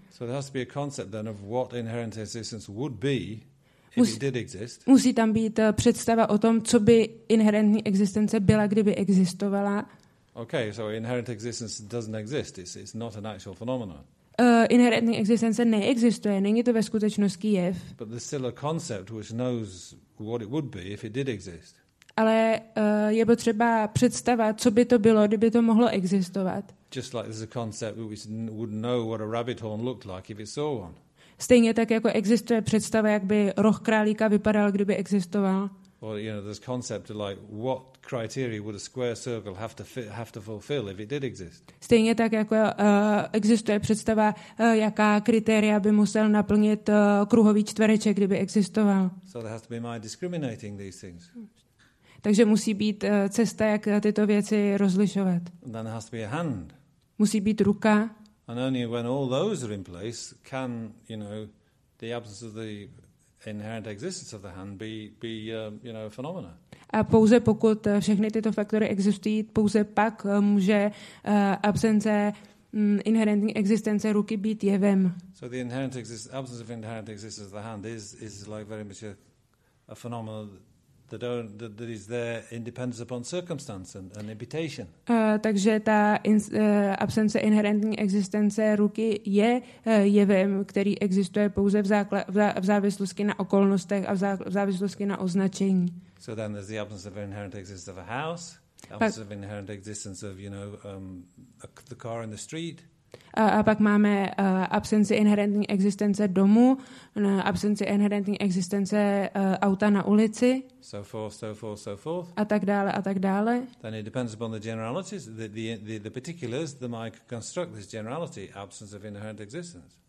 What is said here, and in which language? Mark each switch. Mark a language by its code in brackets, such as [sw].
[en] So there has to be a concept then of what inherent existence would be if it did exist. [cs] Musí tam být představa o tom, co by inherentní existence byla, kdyby existovala. [en] Okay, so inherent existence doesn't exist. It's not an actual phenomenon. [cs] Inherentní existence neexistuje, není to ve skutečnosti jev. [en] But there's still a concept which knows what it would be if it did exist. [cs] Ale je potřeba představa, co by to bylo, kdyby to mohlo existovat. [en] Just like there's a concept which would know what a rabbit horn looked like if it saw one. [cs] Stejně tak jako existuje představa, jak by roh králíka vypadal, kdyby existoval. [en] Or, you know, there's a concept of like what criteria would a square circle have to fulfill if it did exist. [cs] Stejně tak jako existuje představa, jaká kritéria by musel naplnit kruhový čtvereček, kdyby existoval. [en] So there has to be my discriminating these things. [cs] Takže musí být cesta, jak tyto věci rozlišovat. [en] And then there has to be a hand. [cs] Musí být ruka. [en] And only when all those are in place can, you know, the absence of the inherent existence of the hand be you know, a phenomena. [cs] A pouze pokud všechny tyto faktory existují, pouze pak může absence inherentní existence ruky být jevem. [en] So the inherent absence of inherent existence of the hand is like very much a phenomenon that is there independent upon circumstance and imputation. [cs] Takže ta absence inherentní existence ruky je jevem, který existuje pouze v závislosti na okolnostech a v závislosti na označení. [en] So then there's the absence of inherent existence of a house, absence of inherent existence of, you know, the car in the street. [cs] A pak máme absenci inherentní existence domu, absenci inherentní existence auta na ulici. [en] So forth, so forth, so forth. [cs] A tak dále, a tak dále. [en] Then it depends upon the generalities, the particulars that might construct this generality, absence of inherent existence.